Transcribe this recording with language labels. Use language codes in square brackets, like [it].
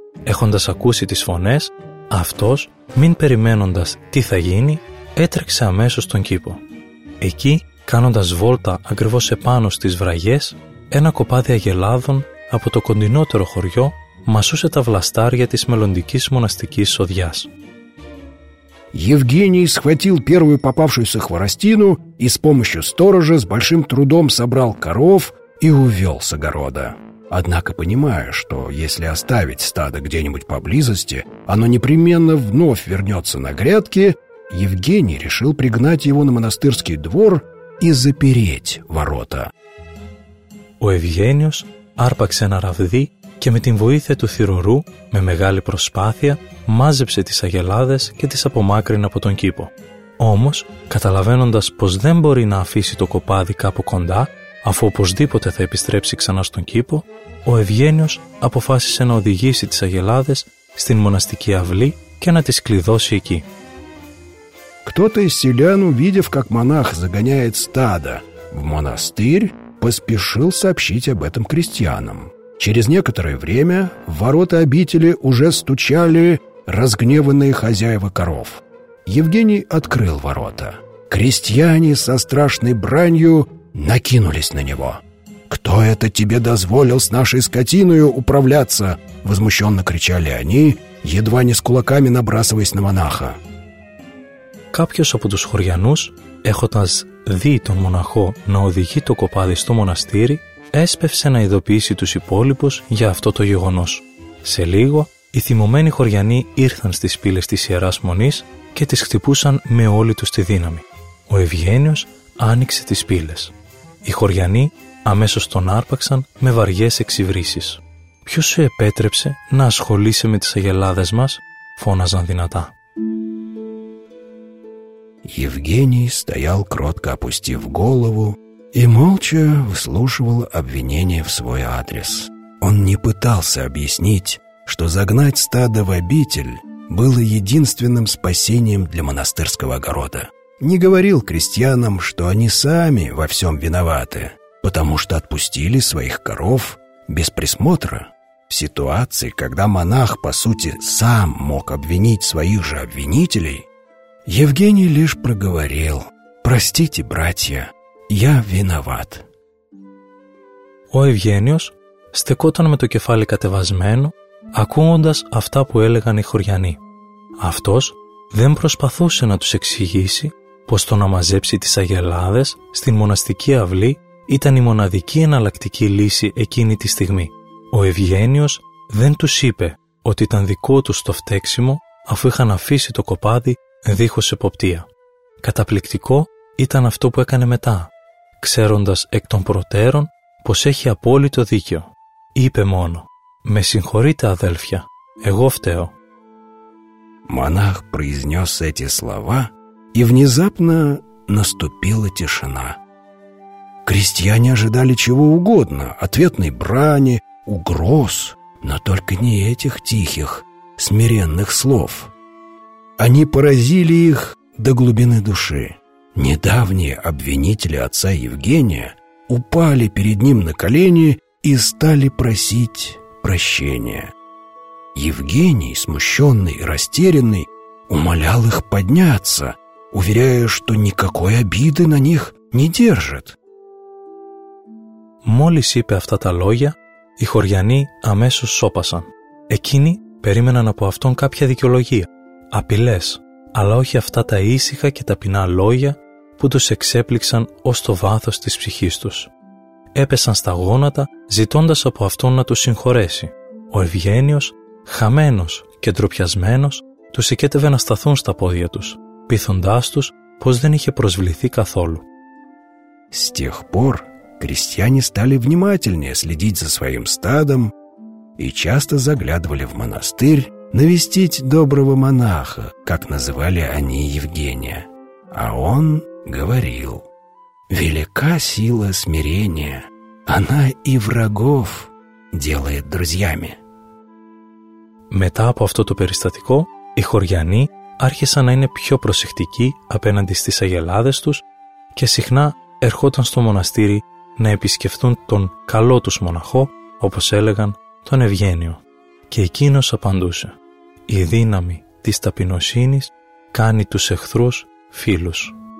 [el] Έχοντας ακούσει τις φωνές, αυτός, μην περιμένοντας τι θα γίνει, έτρεξε αμέσως στον κήπο. Εκεί, κάνοντας βόλτα ακριβώς επάνω στις βραγιές, ένα κοπάδι αγελάδων από το κοντινότερο χωριό μασούσε τα βλαστάρια της μελλοντικής μοναστικής σοδειάς. [ru] Евгений схватил первую попавшуюся хворостину и с помощью сторожа с большим трудом собрал коров и увел с огорода. Однако, понимая, что если оставить стадо где-нибудь поблизости, оно непременно вновь вернется на грядки, Евгений решил пригнать его на монастырский двор и запереть ворота. [el] Ο Ευγένιος άρπαξε ένα ραβδί και με την βοήθεια του θυρωρού, με μεγάλη προσπάθεια, μάζεψε τις αγελάδες και τις απομάκρυνε από τον κήπο. Όμως, καταλαβαίνοντας πως δεν μπορεί να αφήσει το κοπάδι κάπου κοντά, αφού οπωσδήποτε θα επιστρέψει ξανά στον κήπο, ο Ευγένιος αποφάσισε να οδηγήσει τις αγελάδες στην μοναστική αυλή και να τις κλειδώσει εκεί. [ru] Кто-то из селян, увидев, как монах загоняет стадо в монастырь, поспешил сообщить об этом крестьянам. Через некоторое время в ворота обители уже стучали разгневанные хозяева коров. Евгений открыл ворота. Крестьяне со страшной бранью накинулись на него. «Кто это тебе дозволил с нашей скотиною управляться?» — возмущенно кричали они, едва не с кулаками набрасываясь на монаха. [el] Κάποιος από τους χωριανούς, έχοντας δει τον μοναχό να οδηγεί το κοπάδι στο μοναστήρι, έσπευσε να ειδοποιήσει τους υπόλοιπους για αυτό το γεγονός. Σε λίγο, οι θυμωμένοι χωριανοί ήρθαν στις πύλες της Ιεράς Μονής και τις χτυπούσαν με όλη τους τη δύναμη. Ο Ευγένιος άνοιξε τις πύλες. Οι χωριανοί αμέσως τον άρπαξαν με βαριές εξυβρίσεις. «Ποιος σου επέτρεψε να ασχολείσαι με τις αγελάδες μας?» φώναζαν δυνατά. [ru] Евгений стоял, кротко опустив голову, и молча выслушивал обвинения в свой адрес. Он не пытался объяснить, что загнать стадо в обитель было единственным спасением для монастырского огорода. Не говорил крестьянам, что они сами во всем виноваты, потому что отпустили своих коров без присмотра. В ситуации, когда монах, по сути, сам мог обвинить своих же обвинителей, Евгений лишь проговорил: «Простите, братья, я виноват». [el] Ο Ευγένιος στεκόταν με το κεφάλι κατεβασμένο, ακούγοντας αυτά που έλεγαν οι χωριανοί. Αυτός δεν προσπαθούσε να τους εξηγήσει πως το να μαζέψει τις αγελάδες στην μοναστική αυλή ήταν η μοναδική εναλλακτική λύση εκείνη τη στιγμή. Ο Ευγένιος δεν τους είπε ότι ήταν δικό τους το φταίξιμο, αφού είχαν αφήσει το κοπάδι δίχως εποπτεία. Καταπληκτικό ήταν αυτό που έκανε μετά, ξέροντας εκ των προτέρων πως έχει απόλυτο δίκιο. Είπε μόνο: «Με συγχωρείτε, αδέλφια, εγώ φταίω». [ru] Монах произнес эти слова, и внезапно наступила тишина. Крестьяне ожидали чего угодно: ответной брани, угроз, но только не этих тихих, смиренных слов. Они поразили их до глубины души. Недавние обвинители отца Евгения упали перед ним на колени и стали просить прощения. Евгений, смущенный и растерянный, умолял их подняться, уверяя, что никакой обиды на них не держит. [el] Молис είπε αυτά τα λόγια, οι χωριανοί αμέσως σώπασαν. Εκείνοι περίμεναν από αυτόν κάποια δικαιολογία. Απειλές, αλλά όχι αυτά τα ήσυχα και ταπεινά λόγια που τους εξέπληξαν ως το βάθος της ψυχής τους. Έπεσαν στα γόνατα ζητώντας από αυτόν να τους συγχωρέσει. Ο Ευγένιος, χαμένος και ντροπιασμένος, τους εκέτευε να σταθούν στα πόδια τους, πείθοντάς τους πως δεν είχε προσβληθεί καθόλου. [ru] С тех πόρ, крестьяне стали внимательнее следить за своим стадом и часто заглядывали в монастырь навестить доброго монаха, как называли они Евгения. А он говорил: «Велика сила смирения, она и врагов делает друзьями». [el] Μετά από αυτό το περιστατικό, οι χωριανοί άρχισαν να είναι πιο προσεκτικοί απέναντι στις αγελάδες τους και συχνά ερχόταν στο μοναστήρι να επισκεφθούν τον καλό τους μοναχό, όπως έλεγαν, τον Ευγένιο. Και εκείνος απαντούσε: «Η δύναμη της ταπεινοσύνης κάνει τους εχθρούς φίλους».